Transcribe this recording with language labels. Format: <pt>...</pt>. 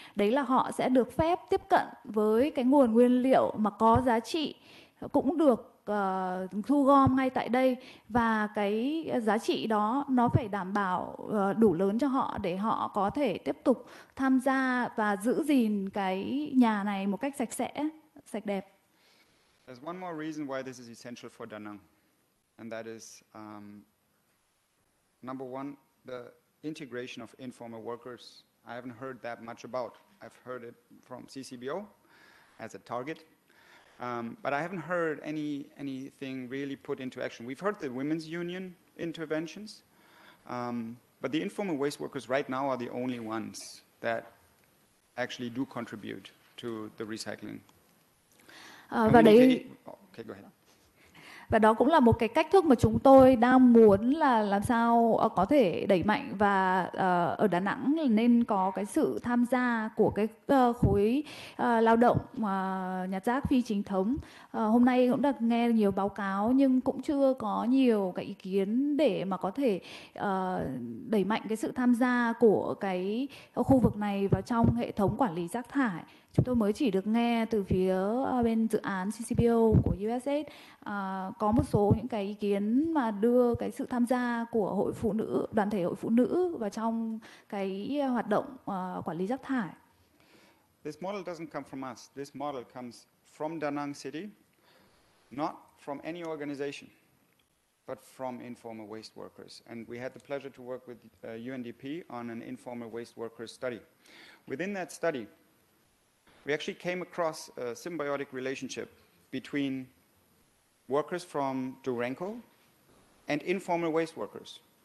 <vi>Đấy là họ sẽ được phép tiếp cận với cái nguồn nguyên liệu mà có giá trị, cũng được thu gom ngay tại đây, và cái giá trị đó nó phải đảm bảo đủ lớn cho họ để họ có thể tiếp tục tham gia và giữ gìn cái nhà này một cách sạch sẽ, sạch đẹp.</vi> <en>There's one more reason why this is essential for Da Nang, and that is number one, the integration of informal workers. I haven't heard that much about. I've heard it from CCBO as a target. But I haven't heard anything really put into action. We've heard the women's union interventions. But the informal waste workers right now are the only ones that actually do contribute to the recycling. Okay, go ahead.</en> <vi>Và đó cũng là một cái cách thức mà chúng tôi đang muốn là làm sao có thể đẩy mạnh, và ở Đà Nẵng nên có cái sự tham gia của cái khối lao động nhặt rác phi chính thống. Hôm nay cũng được nghe nhiều báo cáo nhưng cũng chưa có nhiều cái ý kiến để mà có thể đẩy mạnh cái sự tham gia của cái khu vực này vào trong hệ thống quản lý rác thải. Chúng tôi mới chỉ được nghe từ phía bên dự án CCBO của USAID có một số những cái ý kiến mà đưa cái sự tham gia của hội phụ nữ, đoàn thể hội phụ nữ vào trong cái hoạt động quản lý rác thải.</vi> <en>This model doesn't come from us. This model comes from Da Nang City, not from any organization, but from informal waste workers. And we had the pleasure to work with UNDP on an informal waste workers study. Within that study, we actually came across a symbiotic relationship between workers from Durenco and informal waste workers.</en>